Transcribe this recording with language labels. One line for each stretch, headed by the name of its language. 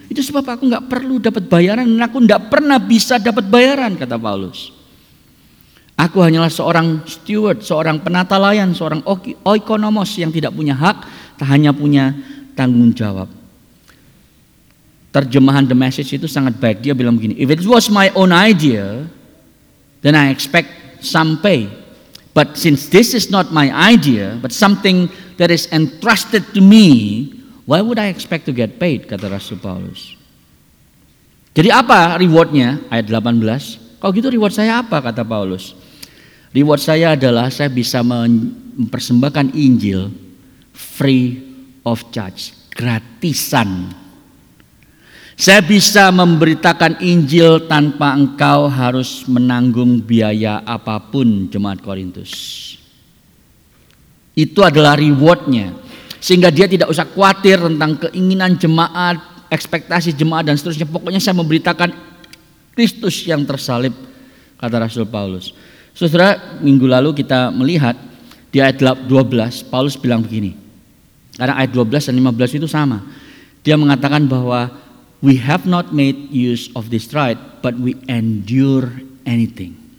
Indonesian: Itu sebab aku gak perlu dapat bayaran, dan aku gak pernah bisa dapat bayaran, kata Paulus. Aku hanyalah seorang steward, seorang penata layan, seorang oikonomos yang tidak punya hak, hanya punya tanggung jawab. Terjemahan The Message itu sangat baik. Dia bilang begini,
English: if it was my own idea, then I expect some pay. But since this is not my idea, but something that is entrusted to me, why would I expect to get paid,
Indonesian: kata Rasul Paulus. Jadi apa rewardnya? Ayat 18. Kalau gitu reward saya apa, kata Paulus. Reward saya adalah saya bisa mempersembahkan Injil
English: free of charge.
Indonesian: Gratisan Saya bisa memberitakan Injil tanpa engkau harus menanggung biaya apapun, jemaat Korintus. Itu adalah rewardnya. Sehingga dia tidak usah khawatir tentang keinginan jemaat, ekspektasi jemaat, dan seterusnya. Pokoknya saya memberitakan Kristus yang tersalib, kata Rasul Paulus. Saudara, minggu lalu kita melihat di ayat 12, Paulus bilang begini. Karena ayat 12 dan 15 itu sama. Dia mengatakan bahwa
English: we have not made use of this right, but we endure anything.